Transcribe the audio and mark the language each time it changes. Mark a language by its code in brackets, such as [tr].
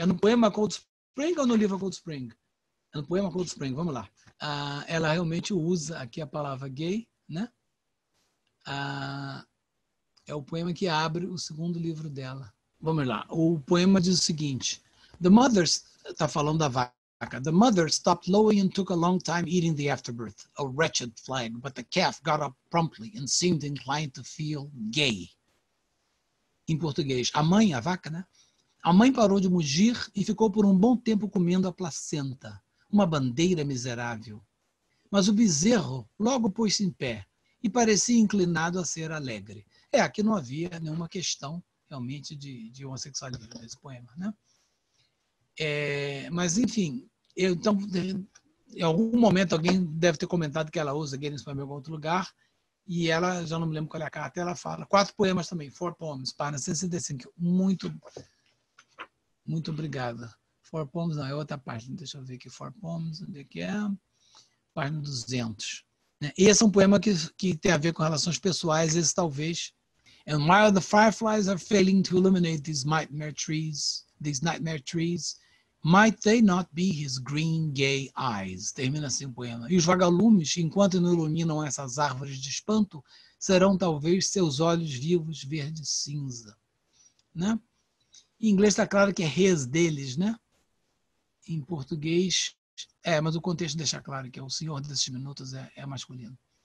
[pt] É no poema Cold Spring ou no livro Cold Spring? É no poema Cold Spring, vamos lá. Ah, ela realmente usa aqui a palavra gay, né? Ah, é o poema que abre o segundo livro dela. Vamos lá. O poema diz o seguinte. [en] The mother, [pt] tá falando da vaca. [en] The mother stopped lowing and took a long time eating the afterbirth. A wretched flag, but the calf got up promptly and seemed inclined to feel gay. [pt] Em português, a mãe, a vaca, né? A mãe parou de mugir e ficou por um bom tempo comendo a placenta, uma bandeira miserável. Mas o bezerro logo pôs-se em pé e parecia inclinado a ser alegre. É, aqui não havia nenhuma questão realmente de homossexualidade nesse poema, né? Mas enfim, em algum momento alguém deve ter comentado que ela usa gay nesse poema em algum outro lugar, e ela, já não me lembro qual é a carta, ela fala, quatro poemas também, 4 poems, para 65, muito... Muito obrigada. 4 poems, não, é outra página. Deixa eu ver aqui, 4 poems, onde é que é? Página 200. Esse é um poema que tem a ver com relações pessoais, esse talvez. [en] And while the fireflies are failing to illuminate these nightmare trees, might they not be his green gay eyes? [pt] Termina assim o poema. E os vagalumes, enquanto não iluminam essas árvores de espanto, serão talvez seus olhos vivos verde cinza. Né? Em inglês está claro que é his deles, né? Em português, mas o contexto deixa claro que é o senhor desses minutos é masculino.